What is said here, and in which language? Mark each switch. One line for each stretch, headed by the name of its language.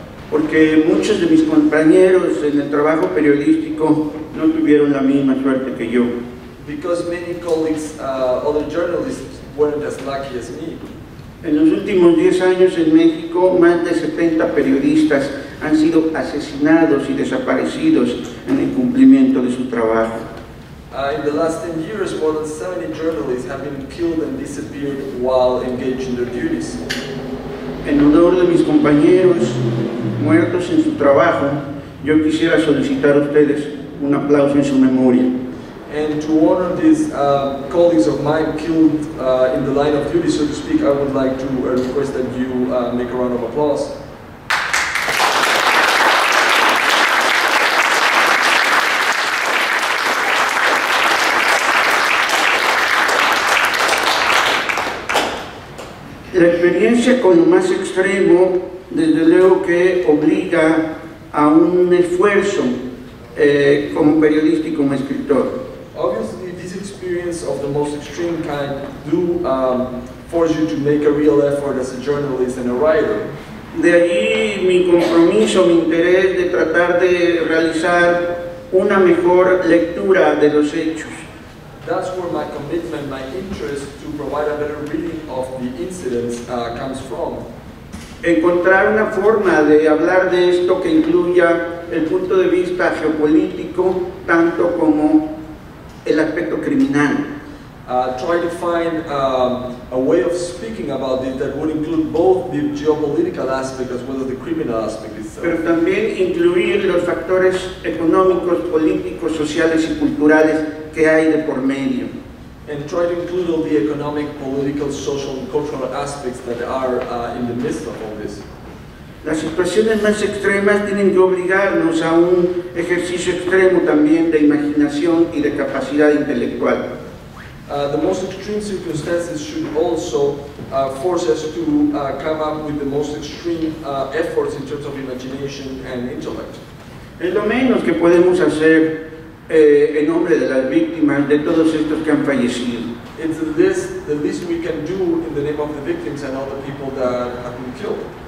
Spanish: Porque muchos de mis compañeros en el trabajo periodístico no tuvieron la misma suerte que yo.
English: Because many colleagues, other journalists, weren't as lucky as me.
Spanish: En los últimos 10 años en México, más de 70 periodistas han sido asesinados y desaparecidos en el cumplimiento de su trabajo.
English: In the last 10 years, more than 70 journalists have been killed and disappeared while engaged in their duties.
Spanish: en honor de mis compañeros muertos en su trabajo, yo quisiera solicitar a ustedes un aplauso en su memoria.
English: And to honor these colleagues of mine killed in the line of duty, so to speak, I would like to request that you make a round of applause.
Spanish: La experiencia con lo más extremo, desde luego que obliga a un esfuerzo como periodista y como escritor.
English: Obviously, this experience of the most extreme kind do force you to make a real effort as a journalist and a writer.
Spanish: De ahí mi compromiso, mi interés de tratar de realizar una mejor lectura de los hechos.
English: That's where my commitment, my interest to provide a better reading of the incidents comes from.
Spanish: Encontrar una forma de hablar de esto que incluya el punto de vista geopolítico tanto como el aspecto criminal.
English: Try to find a way of speaking about it that would include both the geopolitical aspect as well as the criminal aspect itself.
Spanish: Pero también incluir los factores económicos, políticos, sociales y culturales que hay de por medio.
English: And try to include all the economic, political, social, and cultural aspects that are in the midst of all this.
Spanish: Las situaciones más extremas tienen que obligarnos a un ejercicio extremo también de imaginación y de capacidad intelectual.
English: The most extreme circumstances should also force us to come up with the most extreme efforts in terms of imagination and intellect.
Spanish: Es lo menos que podemos hacer en nombre de las víctimas de todos estos que han fallecido.
English: It's the least we can do in the name of the victims and all the people that have been killed.